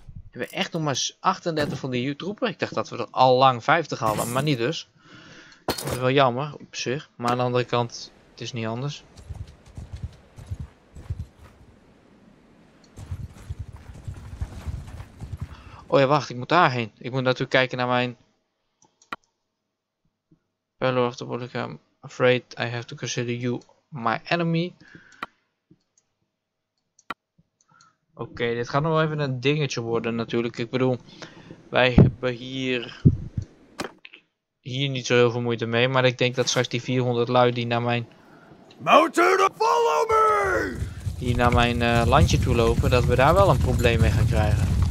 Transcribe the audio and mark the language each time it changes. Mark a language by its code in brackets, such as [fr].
[nl] We hebben echt nog maar 38 van die troepen. Ik dacht dat we er al lang 50 hadden. Maar niet dus. Dat is wel jammer op zich. Maar aan de andere kant... Het is niet anders. Oh ja, wacht. Ik moet daarheen. Ik moet natuurlijk kijken naar mijn... [en] Hello, after what I'm afraid I have to consider you my enemy. [nl] Oké, dit gaat nog wel even een dingetje worden natuurlijk. Ik bedoel, wij hebben hier... niet zo heel veel moeite mee. Maar ik denk dat straks die 400 lui die naar mijn... [en] Mountain, follow me! [nl] Die naar mijn landje toe lopen, dat we daar wel een probleem mee gaan krijgen.